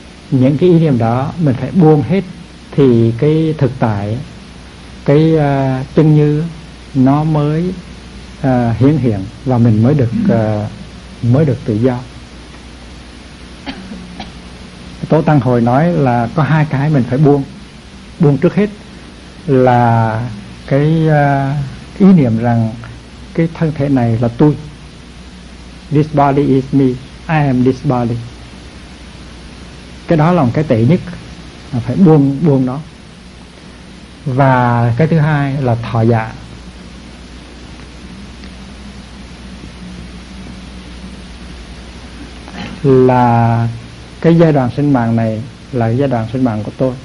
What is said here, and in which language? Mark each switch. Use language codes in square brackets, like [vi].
[vi] Những cái ý niệm đó mình phải buông hết thì cái thực tại, cái chân như nó mới hiển hiện và mình mới được tự do. Tổ Tăng hồi nói là có hai cái mình phải buông. Buông trước hết là cái ý niệm rằng cái thân thể này là tôi. [en] This body is me, I am this body. [vi] Cái đó là một cái tệ nhất, phải buông buông nó. Và cái thứ hai là thọ giả. Là cái giai đoạn sinh mạng này là giai đoạn sinh mạng của tôi.